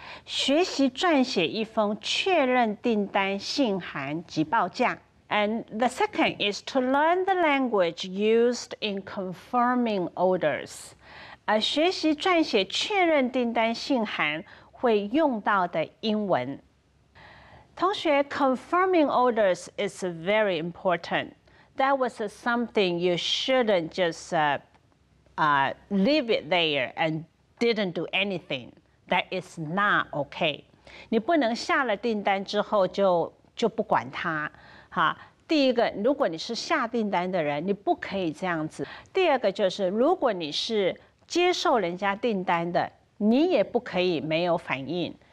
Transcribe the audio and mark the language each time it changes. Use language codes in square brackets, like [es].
[zh] 学习撰写一封确认订单信函及报价。 [en] And the second is to learn the language used in confirming orders. [zh] 学习撰写确认订单信函会用到的英文。同学 [en] confirming orders is very important. That was something you shouldn't just leave it there and didn't do anything. That is not okay. [zh] 你不能下了订单之后就不管它。第一个，如果你是下订单的人，你不可以这样子。第二个就是，如果你是接受人家订单的，你也不可以没有反应。